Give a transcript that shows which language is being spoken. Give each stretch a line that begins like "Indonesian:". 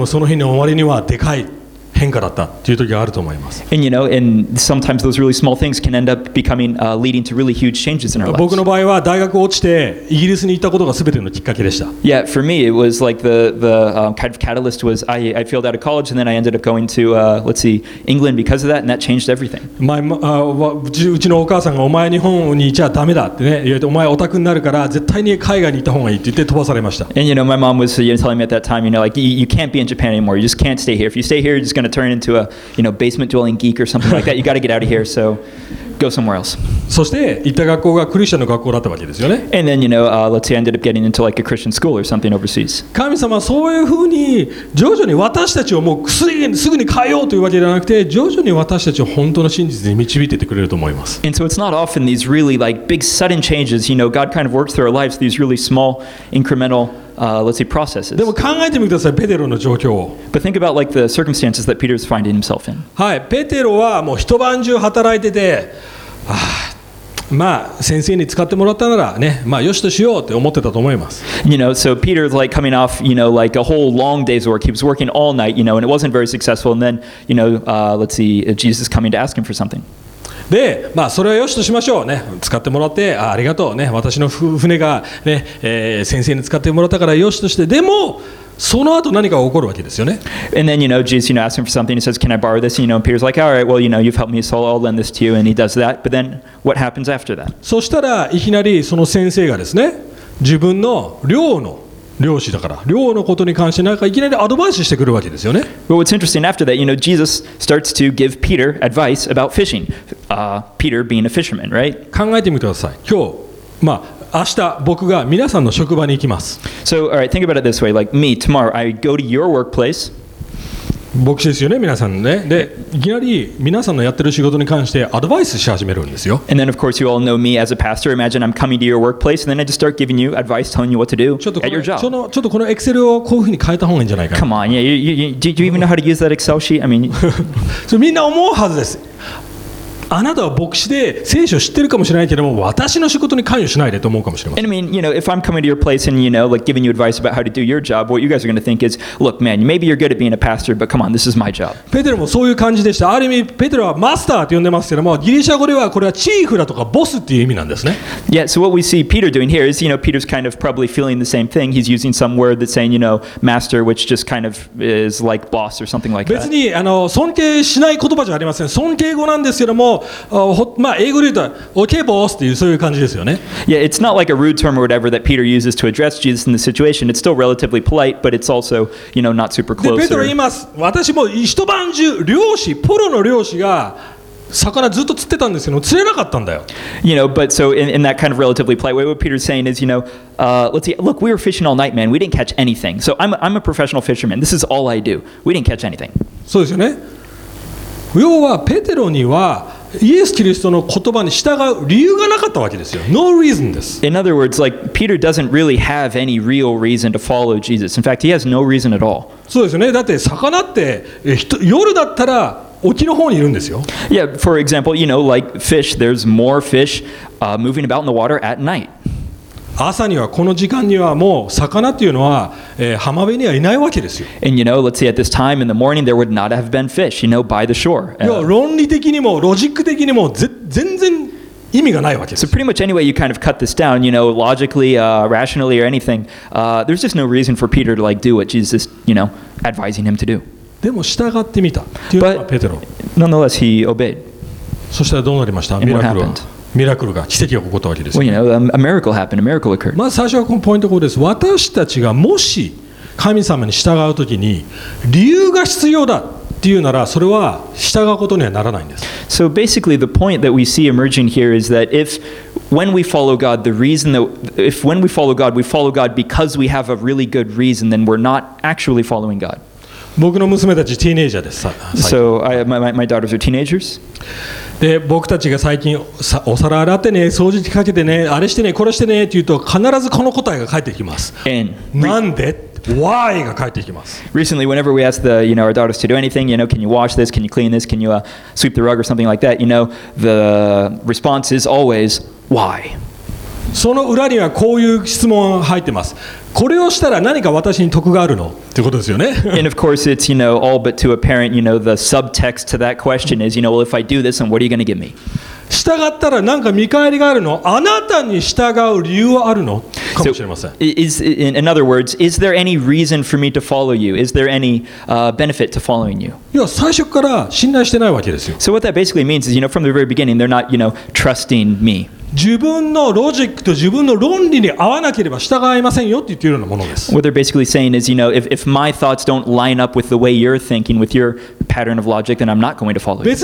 Japanese: でもその日の終わりにはでかい変化だったっていう時があると思います。
English: And you know, and sometimes those really small things can end up becoming, leading to really huge changes in our lives.
Japanese: 僕の場合は大学落ちてイギリスに行ったことが全てのきっかけでした。
English: Yeah, for me, it was like the kind of catalyst was I failed out of college and then I ended up going to, let's see, England because of that and that changed everything.
Japanese: うちのお母さんがお前日本に行っちゃダメだってね、言ってお前オタクになるから絶対に海外に行った方がいいって言って飛ばされました。
English: And you know, my mom was, you know, telling me at that time, you know, like, you can't be in Japan anymore. You just can't stay here. If you stay here, you'reGoing to turn into a, you know, basement dwelling geek or something like that. You got to get out of here. So, go somewhere else.
Japanese: そして行った学校がクリスチャンの学校だったわけですよね。
English: And then, you know, let's say I ended up getting into like a Christian school or something overseas.
Japanese: 神様そういうふうに徐々に私たちをもうすぐに変えようというわけではなくて、徐々に私たちを本当の真実に導いててくれると思います。
English: And so it's not often these really like big sudden changes. You know, God kind of works through our lives these really small incremental. Let's see, processes.
Japanese: でも考えてみてください、ペテロの状況を。
English: But think about like the circumstances that Peter's finding himself in.
Japanese: はい、ペテロはもう一晩中働いてて、まあ先生に使ってもらったならね、まあよしとしようって思ってたと思います。
English: You know, so Peter's like coming off, you know, like a whole long day's work. He was working all night, you know, and it wasn't very successful. And then, you know, let's see, Jesus coming to ask him for something.
Japanese: でまあ、それはよしとしましょうね。使ってもらって ありがとうね。私の船が、ね先生に使ってもらったからよしとして。でもその後何か起こるわけですよね。
English: And then, you know, Jesus, you know, asking for something, he says, can I borrow this? And, you know, Peter's like, all right, well, you know, you've helped me, so I'll lend this to you. And he does that. But then what happens after that?
Japanese: そしたらいきなりその先生がですね、自分の寮の漁師だから漁のことに関してなんかいきなりアドバイスしてくるわけですよね。
English: Well, what's interesting after that, you know, Jesus starts to give Peter advice about fishing. Peter being a fisherman, right?
Japanese: 考えてみてください。今日、まあ明日僕が皆さんの職場に行きます。
English: So, all right, think about it this way. Like me, tomorrow, I go to your workplace.
Japanese: 牧師ですよね、皆さんね。で、いきなり皆さんのやってる仕事に関してアドバイスし始めるんですよ。
English: And then, of course, you all know me as a pastor. Imagine I'm coming to your workplace, and then I just start giving you advice, telling you what to do at your job.
Japanese: ちょっとこのエクセルをこういうふうに変えた方がいいんじゃないかな。
English: Come on, yeah. Do you even know how to use that Excel sheet? I mean,
Japanese: so, みんな思うはずです。あなたは牧師で聖書を知ってるかもしれないけども、私の仕事に関与しないでと思うかもしれません。
English: And I mean, you know, if I'm coming to your place and, you know, like giving you advice about how to do your job, what you guys are going to think is, look, man, maybe you're good at being a pastor, but come on, this is my job.
Japanese: ペテロもそういう感じでした。ある意味、ペテロはマスターと呼んでますけども、ギリシャ語ではこれはチーフだとかボスっていう意味なんですね。
English: Yeah, so what we see Peter doing here is, you know, Peter's kind of probably feeling the same thing. He's using some word that's saying, you know, master, which just kind of is like boss or something like that.
Japanese: 別に、あの、尊敬しない言葉じゃありません。尊敬語なんですけども、まあ、英語で言うと、
English: OK, boss
Japanese: っていうそういう感じですよね。
English: Yeah, it's not like a rude term or whatever that Peter uses to address Jesus in the situation. It's still relatively polite, but it's also, you know, not super close.
Japanese: で、ペテロ言います。私も一晩中、漁師、プロの漁師が魚ずっと釣ってたんですけど、釣れなかったんだよ。
English: You know, but so in that kind of relatively polite way, what Peter's saying is, you know, let's see, look, we were fishing all night, man. We didn't catch anything. So I'm a professional fisherman. This is all I do. We didn't catch anything.
Japanese: そうですよね。要はペテロにはイエス・キリストの言葉に従う理由がなかったわけですよ。
English: No reason
Japanese: です。
English: In other words, like, Peter doesn't really have any real reason to follow Jesus. In fact, he has no reason at all.
Japanese: そうですね。だって魚って夜だったら沖の方にいるんですよ。
English: Yeah, for example, you know, like fish, there's more fish, moving about in the water at night.
Japanese: 朝にはこの時間にはもう魚っていうのは、浜辺にはいないわけですよ。
English: And you know, let's see, at this time in the morning, there would not have been fish, you know, by the shore.
Japanese: いや、論理的にもロジック的にも全然意味がないわけです。
English: So pretty much anyway, you kind of cut this down, you know, logically, rationally or anything. There's just no reason for Peter to like do what Jesus, you know, advising him to do.
Japanese: でも従ってみたっていうのがペテロ。
English: But nonetheless, he obeyed.
Japanese: そしたらどうなりました？ミラクルは。ミラクルが奇跡が起こったわけですよ。
English: Well, you know, a miracle happened, a miracle occurred.
Japanese: まず最初はこのポイントです。私たちがもし神様に従うときに理由が必要だっていうならそれは従うことにはならないんです。
English: So basically the point that we see emerging here is that if when we follow God, the reason that if when we follow God because we have a really good reason, then we're not actually following God.
Japanese: 僕の娘たちティーネイジャーです。
English: So my daughters are teenagers.
Japanese: で僕たちが最近お皿洗ってね掃除機かけてねあれしてねこれしてねって言うと必ずこの答えが返ってきます。なんで Why が返ってきます。
English: Recently, whenever we ask the you know our daughters to do anything, you know, can you wash this? Can you clean this? Can you sweep the rug or something like that? You know, the response is always why.
Japanese: その裏にはこういう質問が入ってます。これをしたら何か私に得があるのってことですよね。
English: And of course it's, you know, all but too apparent, you know, the subtext to that question is, you know, well, if I do this, then what are you going to give me?
Japanese: 従ったら何か見返りがあるの？あなたに従う理由はあるの？かもしれません。
English: In other words, is there any reason for me to follow you? Is there any benefit to following you?
Japanese: いや、最初から信頼してないわけですよ。
English: So what that basically means is, you know, from the very beginning, they're not, you know, trusting me.
Japanese: 自分のロジックと自分の論理に合わなければ従いませんよって言ってるようなものです。
English: What they're basically saying is, you know, if my thoughts don't line up with the way you're thinking, with your pattern of logic, then I'm not going to follow you.